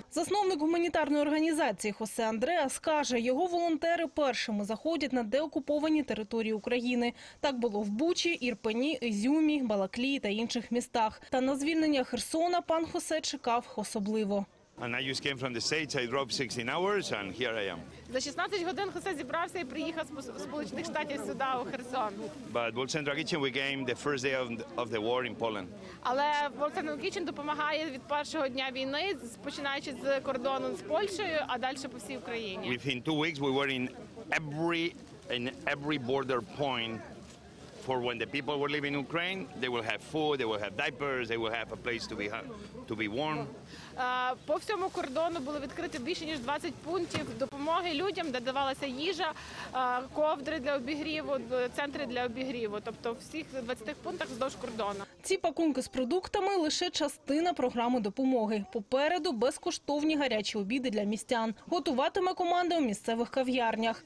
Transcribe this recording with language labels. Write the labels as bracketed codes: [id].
[uk] Засновник гуманітарної організації Хосе Андреас каже, його волонтери першими заходять на деокуповані території України. Так було в Бучі, Ірпені, Ізюмі, Балаклії та інших містах. Та на звільнення Херсона пан Хосе чекав особливо. [en] And I just came from the States, I drove 16 hours and here I am. [uk] За 16 годин Хосе зібрався і приїхав з Сполучених Штатів сюди, у Херсон. [en] But World Central Kitchen, we came the first day of the war in Poland. [uk] Але World Central Kitchen допомагає від першого дня війни, починаючи з кордону з Польщею, а далі по всій Україні. [en] Within 2 weeks we were in every border point for when the people were leaving Ukraine, they will have food, they will have diapers, they will have a place to be warm. [uk] По всьому кордону було відкрито більше ніж 20 пунктів допомоги людям, де давалася їжа, ковдри для обігріву, центри для обігріву. Тобто всіх 20 пунктах вздовж кордону. Ці пакунки з продуктами – лише частина програми допомоги. Попереду – безкоштовні гарячі обіди для містян. Готуватиме команда у місцевих кав'ярнях.